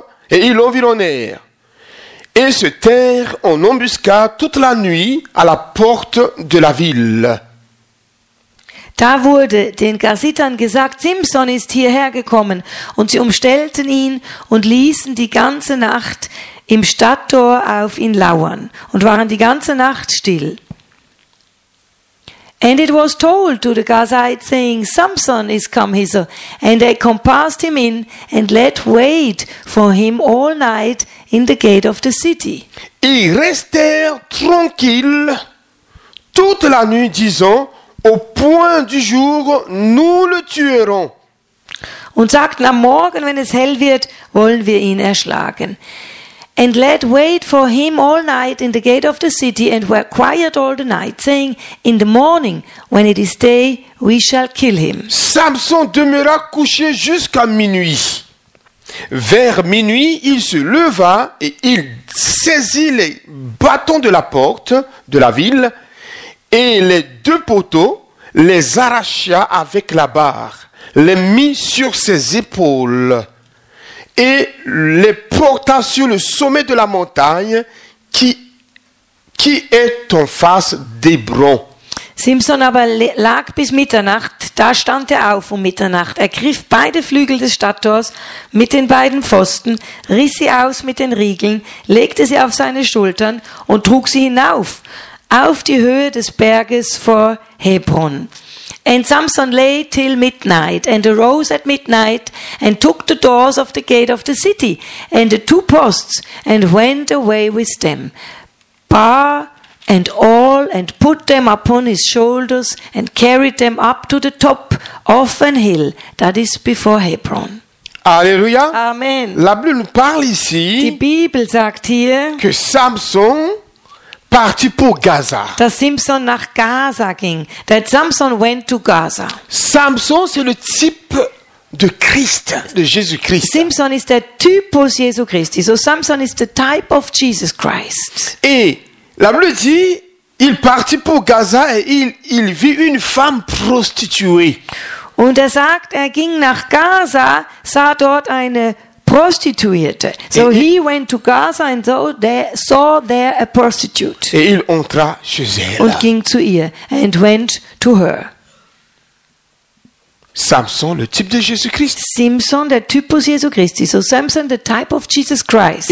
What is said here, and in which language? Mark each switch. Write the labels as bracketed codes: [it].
[fr] Et ils l'environnèrent. Et se tinrent en embuscade toute la nuit à la porte de la ville. [de] Da wurde den Gazitern gesagt, Simson ist hierher gekommen, und sie umstellten ihn und ließen die ganze Nacht im Stadttor auf ihn lauern und waren die ganze Nacht still. [en] And it was told to the Gazites, saying, Samson is come hither. And they compassed him in, and let wait for him all night in the gate of the city. [fr] Ils restèrent tranquilles toute la nuit, disant, Au point du jour, nous le tuerons. [de] Und sagten, am Morgen, wenn es hell wird, wollen wir ihn erschlagen. [en] And let wait for him all night in the gate of the city and were quiet all the night, saying, in the morning, when it is day, we shall kill him. [fr] Samson demeura couché jusqu'à minuit. Vers minuit, il se leva et il saisit les bâtons de la porte de la ville et les deux poteaux, les arracha avec la barre, les mit sur ses épaules et les porta sur le sommet de la montagne qui est en face d'Hébron. [de] Simson aber lag bis Mitternacht, da stand er auf um Mitternacht, ergriff beide Flügel des Stadttors mit den beiden Pfosten, riss sie aus mit den Riegeln, legte sie auf seine Schultern und trug sie hinauf, auf die Höhe des Berges vor Hebron. [en] And Samson lay till midnight, and arose at midnight, and took the doors of the gate of the city, and the two posts, and went away with them. Bar and all, and put them upon his shoulders, and carried them up to the top of an hill that is before Hebron. Alléluia. Amen. [fr] La Bible nous parle ici. [de] Die Bibel sagt hier, [fr] que Samson parti pour Gaza. [de] Dass Samson nach Gaza ging. [en] That Samson went to Gaza. [fr] Samson, c'est le type de Christ, de Jésus-Christ. [de] Samson ist der Typus Jesu Christi. [en] So Samson is the type of Jesus Christ. [fr] Et la Bible dit, il partit pour Gaza et il vit une femme prostituée. [de] Und er sagt, er ging nach Gaza, sah dort eine Prostituierte. [en] So he went to Gaza and saw there a prostitute. [fr] Et il entra chez elle. [de] Und ging zu ihr [en] and went to her. [fr] Samson, le type de Jésus-Christ. [de] Simpson, der Typus Jesu Christi. [en] So Samson, the type of Jesus Christ.